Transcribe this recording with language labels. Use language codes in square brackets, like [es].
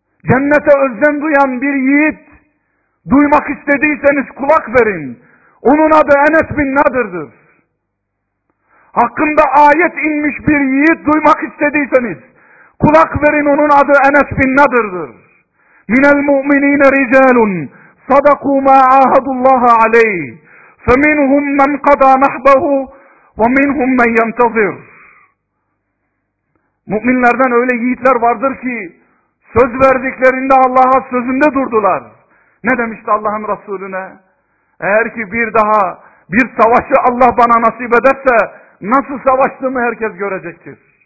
[tr] Cennete özlem duyan bir yiğit duymak istediyseniz kulak verin. Onun adı Enes bin Nadır'dır. Hakkında ayet inmiş bir yiğit duymak istediyseniz kulak verin onun adı Enes bin Nadır'dır. [ar] Minel mu'minine ricalun صدقوا ما عاهدوا الله عليه فمنهم من قضى نحبه ومنهم من ينتظر. [tr] Müminlerden öyle yiğitler vardır ki söz verdiklerinde Allah'a sözünde durdular. Ne demişti Allah'ın Resulüne? Eğer ki bir daha bir savaşı Allah bana nasip ederse nasıl savaştığımı herkes görecektir.